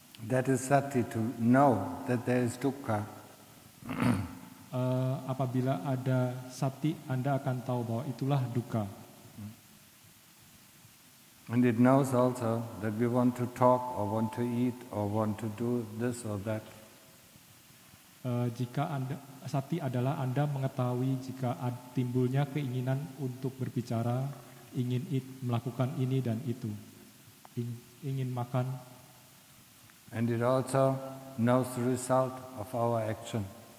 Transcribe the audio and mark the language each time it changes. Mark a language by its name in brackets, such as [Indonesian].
[English] That is sati, to know that there is dukkha. [Indonesian] Apabila ada sati, Anda akan tahu bahwa itulah dukkha. [English] And it knows also that we want to talk or want to eat or want to do this or that. [Indonesian] Jika Anda, sati adalah Anda mengetahui jika timbulnya keinginan untuk berbicara, ingin melakukan ini dan itu, ingin makan. [English] And it also knows the result of our action.